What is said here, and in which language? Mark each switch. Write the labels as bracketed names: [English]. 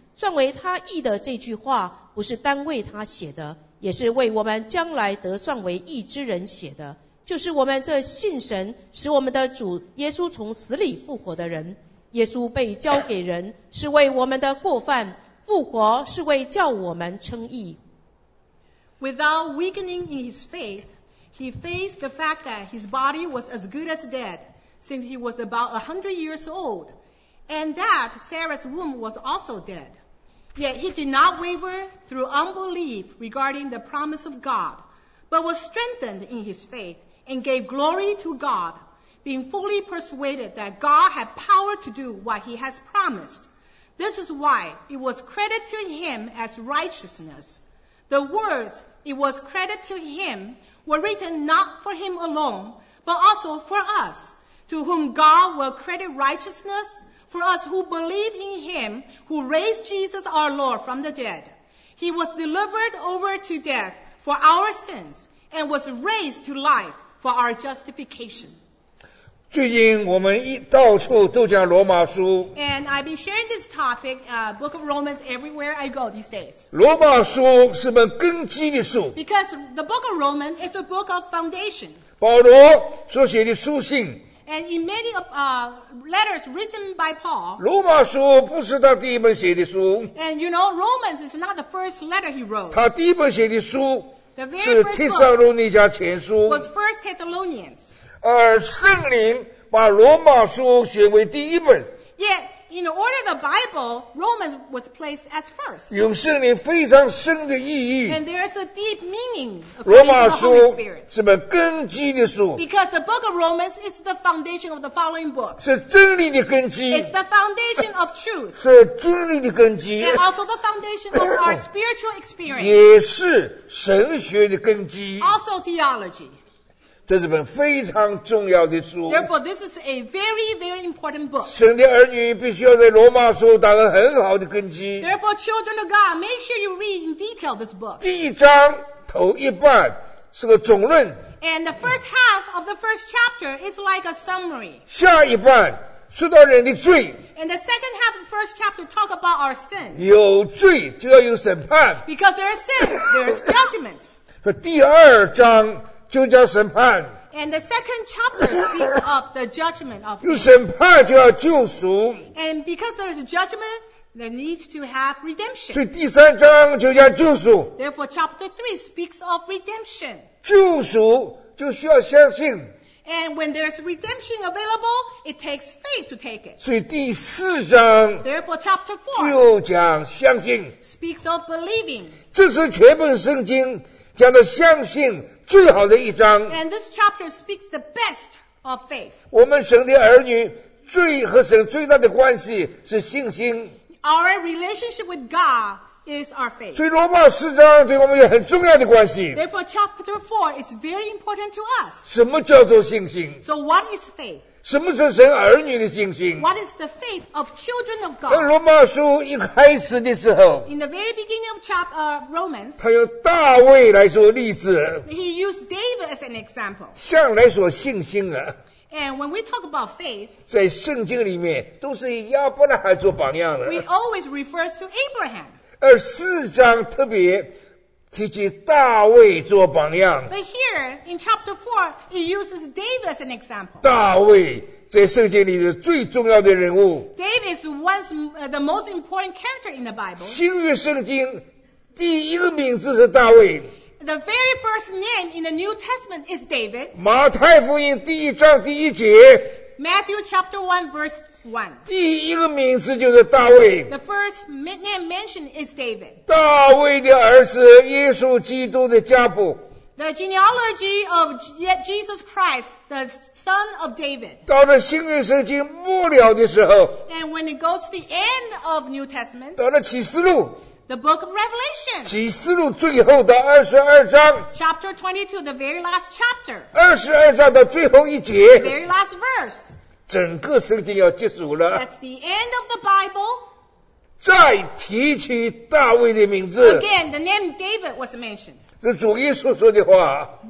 [Chinese] 算为他义的这句话不是单为他写的，也是为我们将来得算为义之人写的，就是我们这信神使我们的主耶稣从死里复活的人。耶稣被交给人是为我们的过犯，复活是为叫我们称义。 [English] Without weakening in his faith, he faced the fact that his body was as good as dead, since he was about 100 years old, and that Sarah's womb was also dead. Yet he did not waver through unbelief regarding the promise of God, but was strengthened in his faith and gave glory to God, being fully persuaded that God had power to do what he has promised. This is why it was credited to him as righteousness. The words, "it was credited to him," were written not for him alone, but also for us, to whom God will credit righteousness. For us who believe in him who raised Jesus our Lord from the dead, he was delivered over to death for our sins and was raised to life for our justification. [Chinese] 最近我们到处都讲罗马书。 [English] And I've been sharing this topic, Book of Romans, everywhere I go these days. [Chinese] 罗马书是本根基的书。 [English] Because the Book of Romans is a book of foundation. [Chinese] 保罗所写的书信。 [English] And in many letters written by Paul, [Chinese] 罗马书不是他第一本写的书。 [English] And you know, Romans is not the first letter he wrote. [Chinese] 他第一本写的书是提撒罗尼迦前书。 [English] Was First Thessalonians. [Chinese] 而圣灵把罗马书写为第一本。 [English] Yet in the order of the Bible, Romans was placed as first. [Chinese] 有圣灵非常深的意义。 [English] And there is a deep meaning. [Chinese] 罗马书是本根基的书。 [English] Because the book of Romans is the foundation of the following book. [Chinese] 是真理的根基。 [English] It's the foundation of truth. [Chinese] 是真理的根基。 [English] And also the foundation of our spiritual experience. [Chinese] 也是神学的根基。 [English] Also theology. [Chinese] 这是本非常重要的书。 [English] Therefore, this is a very, very important book. [Chinese] 神的儿女必须要在罗马书打个很好的根基。 [English] Therefore, children of God, make sure you read in detail this book. [Chinese] 第一章头一半是个总论。 [English] And the first half of the first chapter is like a summary. [Chinese] 下一半说到人的罪。 [English] And the second half of the first chapter talk about our sin. [Chinese] 有罪就要有审判。 [English] Because there is sin, there is judgment. [Chinese] 说第二章就叫审判。 [English] And the second chapter speaks of the judgment of God. [Chinese] 有审判就要救赎。 [English] And because there is a judgment, there needs to have redemption. [Chinese] 所以第三章就叫救赎。 [English] Therefore, chapter 3 speaks of redemption. [Chinese] 救赎就需要相信。 [English] And when there's redemption available, it takes faith to take it. [Chinese] 所以第四章 [English] Therefore, chapter 4 [Chinese] 就讲相信。 [English] Speaks of believing. [Chinese] 这是全本圣经讲的相信最好的一章。 [English] And this chapter speaks the best of faith. [Chinese] 我们神的儿女最和神最大的关系是信心。 [English] Our relationship with God is our faith. [Chinese] 所以罗马四章对我们有很重要的关系。 [English] Therefore, chapter 4 is very important to us. [Chinese] 什么叫做信心？ [English] So what is faith? [Chinese] 什么是神儿女的信心？ [English] What is the faith of children of God? [Chinese] 在罗马书一开始的时候， [English] In the very beginning of Romans, [Chinese] 他用大卫来做例子。 [English] He used David as an example. [Chinese] 向来说信心啊。 [English] And when we talk about faith, [Chinese] 在圣经里面都是以亚伯拉罕做榜样的。 [English] We always refer to Abraham. [Chinese] 而四章特别提起大卫做榜样。 [English] But here, in chapter 4, it uses David as an example. [Chinese] 大卫在圣经里是最重要的人物。 [English] David is once the most important character in the Bible. [Chinese] 新约圣经第一个名字是大卫。 [English] The very first name in the New Testament is David. [Chinese] 马太福音第一章第一节。 [English] Matthew chapter 1 verse 1. [Chinese] 第一个名字就是大卫。 [English] The first name mentioned is David. [Chinese] 大卫的儿子耶稣基督的家谱。 [English] The genealogy of Jesus Christ, the son of David. [Chinese] 到了新约圣经末了的时候。 [English] And when it goes to the end of New Testament. [Chinese] 到了启示录。 [English] The book of Revelation. [Chinese] 启示录最后的二十二章。 [English] Chapter 22, the very last chapter. [Chinese] 二十二章的最后一节。 [English] The very last verse. [Chinese] 整个圣经要结束了。 [English] That's the end of the Bible. [Chinese] 再提起大卫的名字。 [English] Again, the name David was mentioned. [Chinese] 是主耶稣说的话。